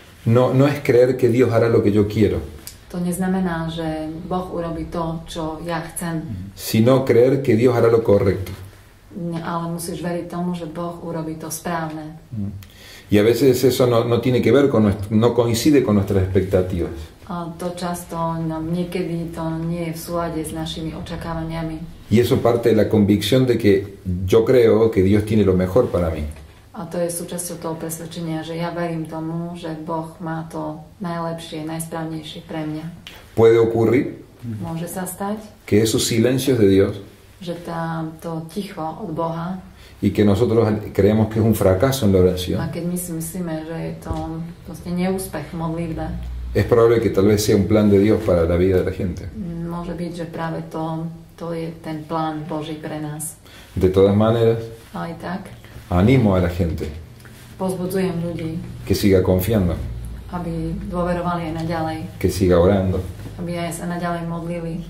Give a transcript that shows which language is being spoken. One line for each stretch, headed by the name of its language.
Spanish: No es creer que Dios hará lo que yo quiero.
Slovak: To neznamená, že Boh urobí to, čo ja chcem.
Spanish: Sino creer que Dios hará lo correcto.
Slovak: Ale musíš veriť tomu, že Boh urobí to správne.
Spanish: Y a veces eso no tiene que ver con nuestro, no coincide con nuestras expectativas.
Slovak: to často niekedy to nie je v súlade s našimi očakávaniami.
Spanish: Y eso parte de la convicción de que yo creo que Dios tiene lo mejor para mí.
Slovak: A to je súčasťou toho presvedčenia, že ja verím tomu, že Boh má to najlepšie, najsprávnejšie pre mňa.
Spanish: Puede ocurrir.
Slovak: Môže sa stať.
Spanish: Que esos silencios de Dios.
Slovak: Že to ticho od Boha.
Spanish: Y que nosotros creemos que es un fracaso en la oración.
Slovak: A keď my si myslíme, že je to vlastne neúspech modlitbe.
Spanish: Es probable que tal vez sea un plan de Dios para la vida de la gente.
Slovak: Môže byť, že práve to je ten plán Boží pre nás.
Spanish: De todas maneras.
Slovak: Aj tak.
Spanish: Animo a la gente.
Slovak: Pozbudzujem ľudí.
Spanish: Que siga confiando.
Slovak: Aby dôverovali aj naďalej.
Spanish: Que siga orando.
Slovak: Aby aj sa naďalej modlili.